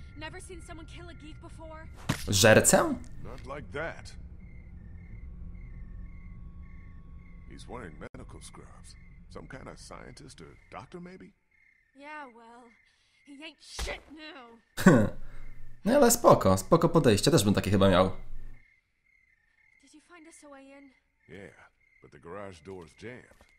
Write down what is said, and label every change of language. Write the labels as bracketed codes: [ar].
[en] Never seen someone kill a geek before? Żercę? Not like that. He's wearing medical scrubs. Some kind of scientist or doctor maybe? Yeah, well, he ain't shit now. [pl] No ale spoko, spoko podejście, też bym takie chyba miał. [en] Did you find us a way in? Yeah, but the garage door's jammed.